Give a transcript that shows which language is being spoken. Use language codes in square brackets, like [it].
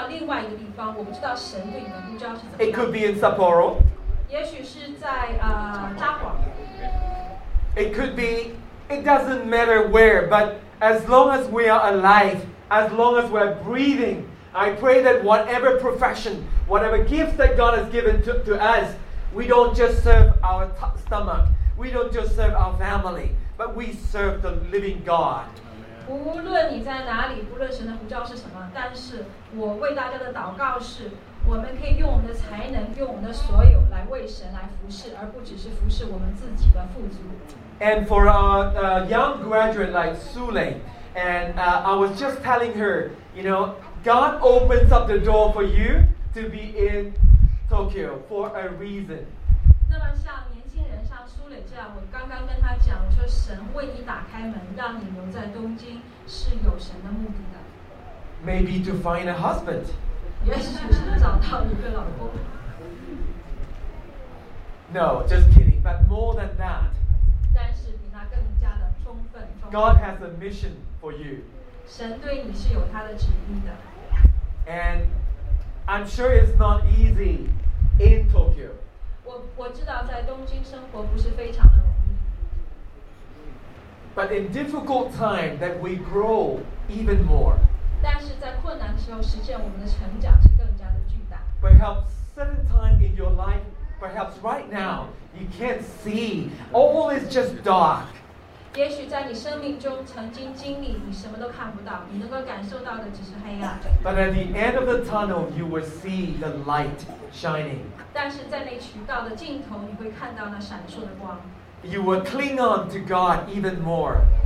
[zh] 也许明天神会对你呼召是到另外一个地方，我不知道神对你的呼召是怎么样。 [en] It could be in Sapporo. [zh] 也许是在札幌。 [en] It could be, it doesn't matter where, but as long as we are alive, as long as we're breathing, I pray that whatever profession, whatever gifts that God has given to us, we don't just serve our stomach, we don't just serve our family, but we serve the living God. [zh] 无论你在哪里，不论神的呼召是什么，但是我为大家的祷告是，我们可以用我们的才能，用我们的所有来为神来服侍，而不只是服侍我们自己的富足。 [en] And for our young graduate like Sule, and I was just telling her, you know, God opens up the door for you to be in Tokyo for a reason. [zh] 像年轻人像苏磊这样，我刚刚跟他讲，我说神为你打开门，让你留在东京是有神的目的的。 [en] Maybe to find a husband. [zh] 也许是找到一个老公。 [en] No, just kidding. But more than that, [zh] 但是比他更加的充分。 [en] God has a mission for you. [zh] 神对你是有他的旨意的。 [en] And I'm sure it's not easy in Tokyo. [zh] 我知道在东京生活不是非常的容易。 [en] But in difficult time, that we grow even more. [zh] 但是在困难的时候，实现我们的成长是更加的巨大。 [en] Perhaps certain time in your life. Perhaps right now, you can't see. All is just dark. [zh] 也许在你生命中曾经经历，你什么都看不到，你能够感受到的只是黑暗。 [en] But at the end of the tunnel, you will see the light shining. [zh] 但是在那渠道的尽头，你会看到那闪烁的光。 [en] You will cling on to God even more.